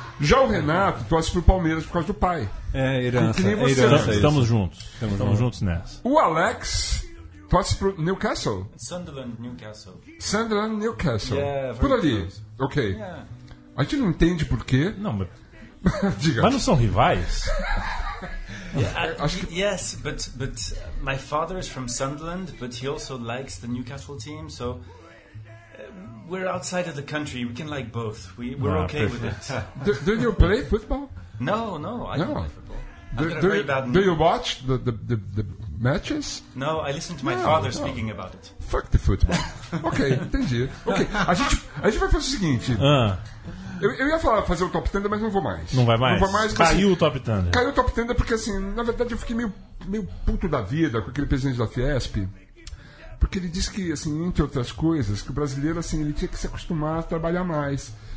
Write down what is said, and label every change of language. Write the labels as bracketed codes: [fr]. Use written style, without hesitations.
[pt] Já o Renato torce pro Palmeiras por causa do pai. É, herança. Que nem você. Herança, estamos juntos nessa. O Alex torce pro Newcastle? Sunderland, Newcastle. [en] Yeah, [pt] por ali. [en] Close. Ok. Yeah. [pt] A gente não entende por quê. Não, mas. Mas não são rivais? [en] Yes, but my father is from Sunderland, but he also likes the Newcastle team, so we're outside of the country. We can like both. We're okay with it. Do you play football? No, I don't play football. Do you watch the matches? No, I listen to my father speaking about it. Fuck the football. [pt] Okay, entendi. Okay, a gente vai fazer o seguinte. Eu ia falar fazer o Top Thunder, mas não vou mais. Não vai mais? Não vou mais. Caiu assim, o Top Thunder. Caiu o Top Thunder porque, assim, na verdade eu fiquei meio puto da vida com aquele presidente da Fiesp. Porque ele disse que, assim, entre outras coisas, que o brasileiro, assim, ele tinha que se acostumar a trabalhar mais.